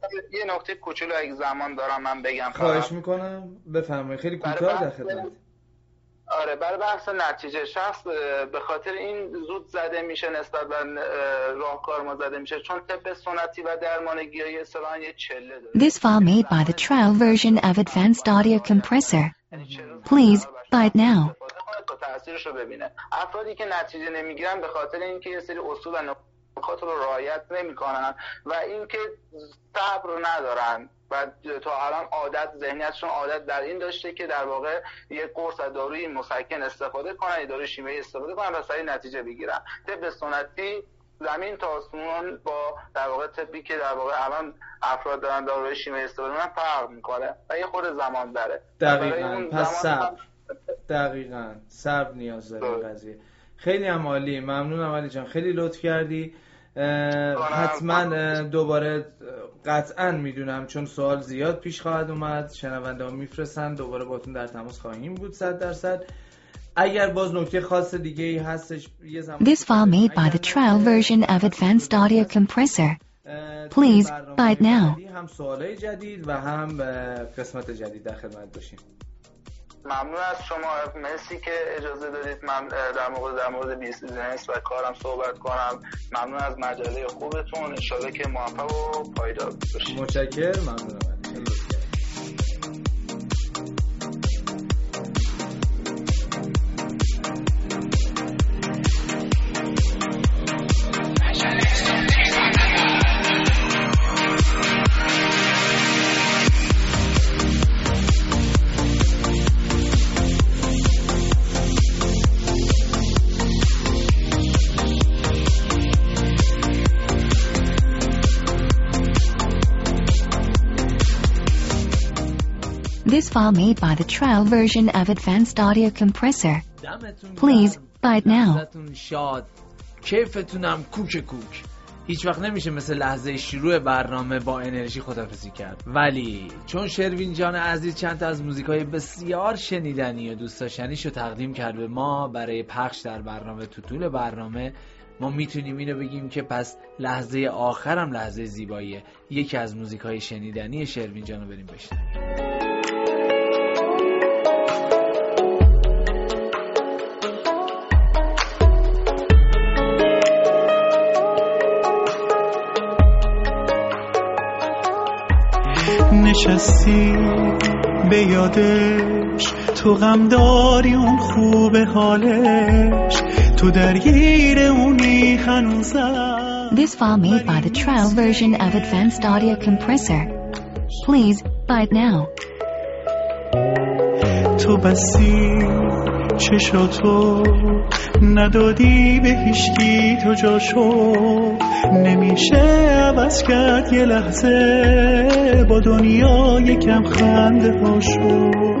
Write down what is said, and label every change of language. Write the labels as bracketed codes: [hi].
[fa] یه نکته کوچولو اگه زمان دارم من بگم. خواهش میکنم بفرمایید، خیلی کوتاه در خدمت. آره، برای بحث نتیجه شخص به خاطر این زود زده میشه نسبت به راهکار ما زده میشه، چون طب سنتی و درمان گیاهی اصطلاحاً یه چله داره. [en] This file made by the trial version of advanced audio compressor. Please buy it now. [fa] تاثیرش رو ببینه. افرادی که نتیجه نمیگیرن به خاطر اینکه یه سری اصول و نکات رو رعایت نمیکنن و اینکه صبر رو ندارن و تا الان عادت ذهنیتشون عادت در این داشته که در واقع یک قرص داروی مسکن استفاده کنن، داروی شیمیایی استفاده کنن و سریع نتیجه بگیرن. طب سنتی زمین تا آسمون با در واقع طبی که در واقع الان افراد دارن داروی شیمیایی استفاده کنن فرق میکنه و یه خورده زمان داره. دقیقاً، پس صبر. دقیقاً صبر نیاز داره این قضیه. خیلی هم عالی، ممنونم علی جان، خیلی لطف کردی. حتما دوباره قطعا میدونم چون سوال زیاد پیش خواهد اومد، شنونده ها میفرستن، دوباره باهاتون در تماس خواهیم بود 100%. اگر باز نکته خاص دیگه ای هستش یه زمان. [en] This file made by the trial version of advanced audio compressor. Please buy it now. [fa] هم سوالای جدید و هم قسمت جدید در خدمت باشیم. ممنون از شما، مرسی که اجازه دادید من در مورد بیزنس و کارم صحبت کنم. ممنون از مجله خوبتون، ان شاءالله که موفق و پایدار باشید. متشکرم، ممنونم. [en] This file made by the trial version of advanced audio compressor. Please buy it now. [fa] دمتون شاد. کیفتونم کوک کوک. هیچ وقت نمیشه مثل لحظه شروع برنامه با انرژی خدافظی کرد. ولی چون شروین جان عزیز چند تا از موزیکای بسیار شنیدنی و دوست داشتنیشو تقدیم کرد به ما برای پخش در برنامه تو طول برنامه، ما میتونیم اینو بگیم که پس لحظه آخرم لحظه زیباییه. یکی از موزیکای شنیدنی شروین جانو بریم بشنویم. نشستی به یادش، تو غم داری اون خوب حالش، تو درگیر اونی هنوزم. [en] This file made by the trial version of advanced audio compressor. Please buy it now. [fa] تو بسی چشاتو ندادی به هیشگی، تو جاشو نمیشه عوض کرد یه لحظه با دنیا یکم خنده هاشو.